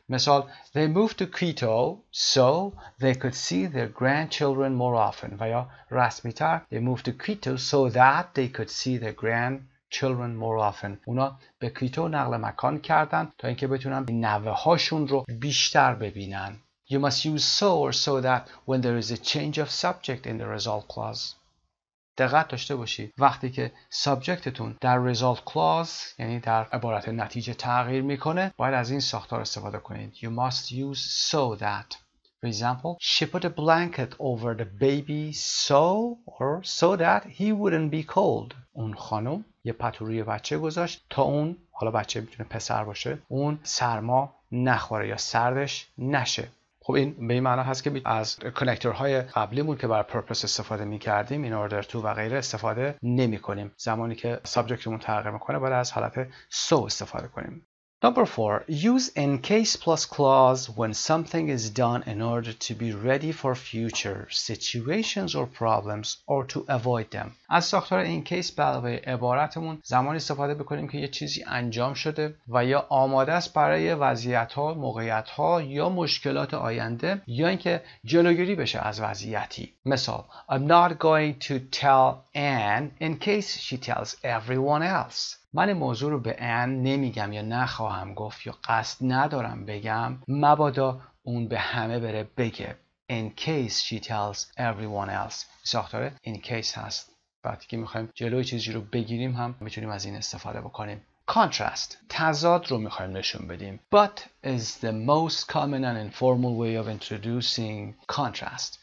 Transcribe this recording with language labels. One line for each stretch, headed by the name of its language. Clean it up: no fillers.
English: مثال They moved to Quito so they could see their grandchildren more often.
Persian: و یا رسمیتر
English: They moved to Quito so that they could see their grandchildren children more often.
Persian: اونا به کویتو نقل مکان کردن تا اینکه بتونن نوه هاشون رو بیشتر ببینن.
English: You must use so or so that when there is a change of subject in the result clause.
Persian: دقت داشته باشی وقتی که سابجکتتون در result clause یعنی در عبارت نتیجه تغییر میکنه باید از این ساختار استفاده کنید.
English: You must use so that. For example, she put a blanket over the baby so or so that he wouldn't be cold.
Persian: اون خانم یه پتو روی بچه گذاشت تا اون حالا بچه میتونه پسر باشه اون سرما نخوره یا سردش نشه. خب این به این معنا هست که از کانکتورهای قبلیمون که برای پرپس استفاده میکردیم این order to و غیره استفاده نمی کنیم. زمانی که سابجکتمون تغییر میکنه باید از حالت so استفاده کنیم.
English: Number 4. Use in case plus clause when something is done in order to be ready for future situations or problems or to avoid them.
Persian: از ساختار in case به علاوه عبارتمون زمانی استفاده بکنیم که یه چیزی انجام شده و یا آماده است برای وضعیت‌ها، موقعیت‌ها یا مشکلات آینده یا اینکه جلوگیری بشه از وضعیتی.
English: مثال I'm not going to tell Anne in case she tells everyone else.
Persian: من موضوع رو به ان نمیگم یا نخواهم گفت یا قصد ندارم بگم مبادا اون به همه بره بگه.
English: In case she tells everyone else. ساختاره in case هست.
Persian: وقتی که میخواییم جلوی چیزی رو بگیریم هم میتونیم از این استفاده بکنیم.
English: Contrast.
Persian: تضاد رو میخواییم نشون بدیم.
English: But is the most common and informal way of introducing contrast.